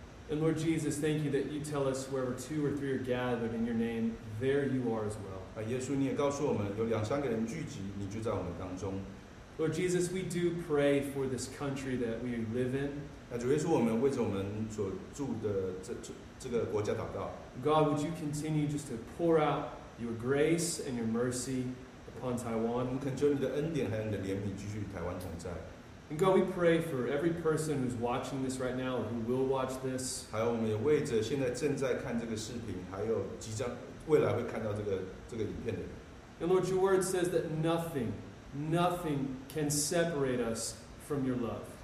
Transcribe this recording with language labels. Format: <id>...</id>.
<en>And Lord Jesus, thank you that you tell us wherever two or three are gathered in your name, there you are as well.</en> <zh>耶稣,你也告诉我们,有两三个人聚集,你就在我们当中。</zh> <en>Lord Jesus, we do pray for this country that we live in.</en> <zh>主耶稣,我们为着我们所住的这个国家祷告。</zh> <en>God, would you continue just to pour out your grace and your mercy upon Taiwan?</en> <zh>我们恳求你的恩典还有你的怜悯继续与台湾同在。</zh> <en>And God, we pray for every person who's watching this right now, who will watch this.</en> <zh>还有我们也为着现在正在看这个视频,还有即将未来会看到这个影片的人。</zh> <en>And Lord, your word says that nothing, nothing can separate us from your love.</en>